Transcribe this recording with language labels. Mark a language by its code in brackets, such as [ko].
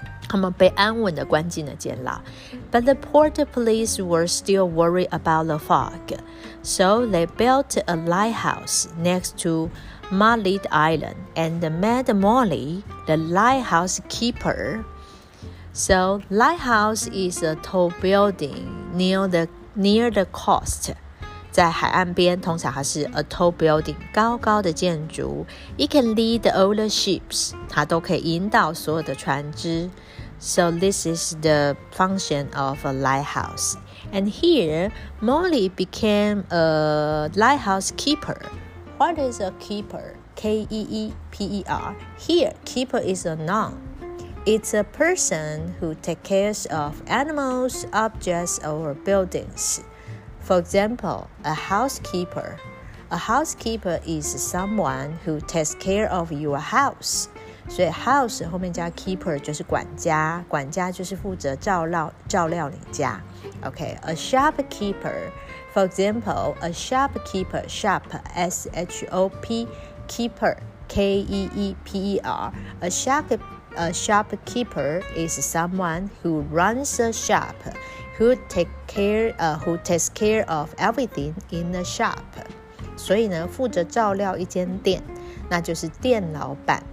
[zh] 他们被安稳地关进了监牢。 [en] But the port police were still worried about the fog. So they built a lighthouse next to Mullet Island and made Molly the lighthouse keeper. So lighthouse is a tall building near the coast. [zh] 在海岸边通常它是 [en] a tall building, [zh] 高高的建筑。 [en] It can lead all the ships. [zh] 它都可以引导所有的船只。 [en] So this is the function of a lighthouse. And here, Molly became a lighthouse keeper. What is a keeper? K-E-E-P-E-R. Here, keeper is a noun. It's a person who takes care of animals, objects, or buildings. For example, a housekeeper. A housekeeper is someone who takes care of your house. [zh] 所以 house 后面加 keeper 就是管家，管家就是负责照料你家。 [en] OK, a shopkeeper, for example, a shopkeeper, shop, S-H-O-P, keeper, K-E-E-P-E-R. A shopkeeper is someone who runs a shop, who takes care of everything in the shop. [zh] 所以呢，负责照料一间店，那就是店老板。